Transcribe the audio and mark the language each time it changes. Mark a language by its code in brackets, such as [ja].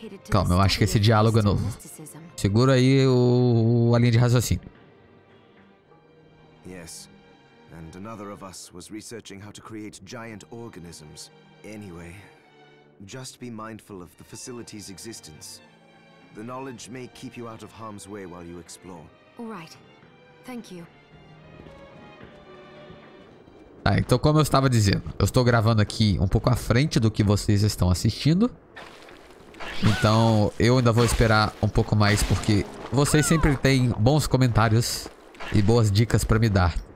[pt] Calma, eu acho que esse diálogo é novo. Segura aí a linha de raciocínio. [en] Yes, and another of us was researching how to create giant organisms. Anyway, just be mindful of the facility's existence. The knowledge may keep you out of harm's way while you explore. All right. Thank you. [pt] Tá, então como eu estava dizendo, eu estou gravando aqui um pouco à frente do que vocês estão assistindo. Então, eu ainda vou esperar um pouco mais porque vocês sempre têm bons comentários e boas dicas pra me dar.